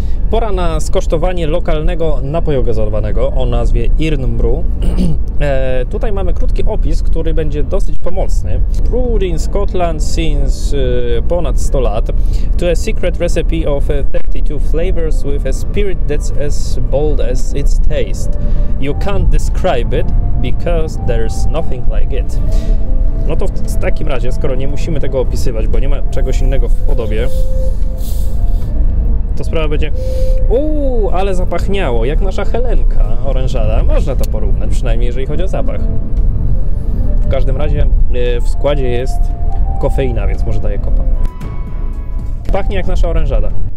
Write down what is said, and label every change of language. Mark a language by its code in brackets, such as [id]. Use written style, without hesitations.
[pl] pora na skosztowanie lokalnego napoju gazowanego o nazwie Irnbru. Tutaj mamy krótki opis, który będzie dosyć pomocny. [en] Brewed in Scotland since [pl] ponad 100 lat [en] to a secret recipe of 32 flavors with a spirit that's as bold as its taste. You can't describe it because there's nothing like it. [pl] No to w takim razie, skoro nie musimy tego opisywać, bo nie ma czegoś innego w podobie, to sprawa będzie, ale zapachniało, jak nasza Helenka orężada. Można to porównać, przynajmniej jeżeli chodzi o zapach. W każdym razie w składzie jest kofeina, więc może daje kopa. Pachnie jak nasza orężada.